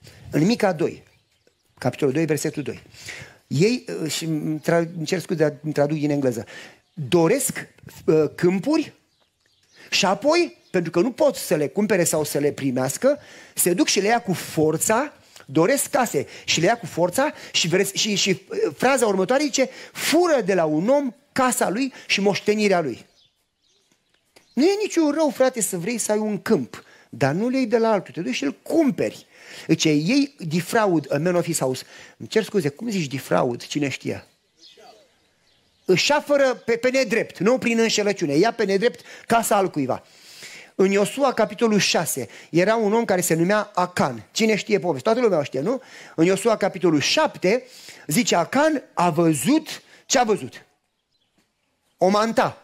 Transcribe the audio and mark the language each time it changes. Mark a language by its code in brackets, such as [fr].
[ro] În Mica 2, capitolul 2, versetul 2. Ei, și îmi cer scuze, îmi traduc din engleză, doresc câmpuri și apoi, pentru că nu pot să le cumpere sau să le primească, se duc și le ia cu forța, doresc case și le ia cu forța și fraza următoare zice, fură de la un om casa lui și moștenirea lui. Nu e niciun rău, frate, să vrei să ai un câmp, dar nu le iei de la altul, te duci și îl cumperi. Zice, ei [en] defraud a man of his house. [ro] Îmi cer scuze, cum zici defraud? Cine știe? Înșafără pe nedrept, nu prin înșelăciune. Ia pe nedrept casa altcuiva. În Iosua, capitolul 6, era un om care se numea Acan. Cine știe povestea? Toată lumea o știe, nu? În Iosua, capitolul 7, zice, Acan a văzut, ce a văzut? O manta.